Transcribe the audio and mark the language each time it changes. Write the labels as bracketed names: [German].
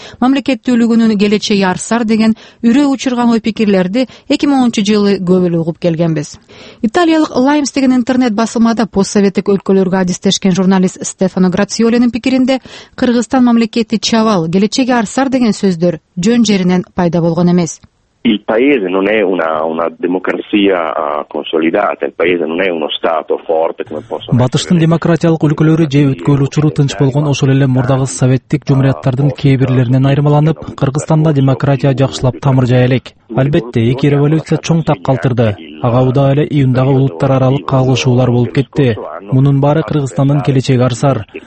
[Kyrgyz] Мамлекеттүүлүгүнүн келечеги арсар деген үрөө учурган ой пикирлерди 2010 жылы көп эле угуп келгенбиз. Италиялык Лаймс деген интернет басылмада постсоветтик өлкөлөргө адистешкен журналист Стефано Грациолинин пикиринде Кыргызстан мамлекети чабал, келечеги арсар деген сөздөр жөн жеринен пайда болгон эмес. [Italian] Il paese non è una democrazia consolidata, il paese non è uno stato forte come posso. [Kyrgyz] Батыштын демократиялык өлкөлөрү же өткөн учуру тынч болгон, ошол эле мурдагы советтик жумуриятардын кээ бирлеринен айырмаланып, Кыргызстанда демократия жакшылап тамыр жая элек. Албетте, эки революция чоң так калтырды. Ага уда эле июндагы улуттар аралык кагылышуулар болуп кетти. Мунун баары Кыргызстандын келечеги арсар.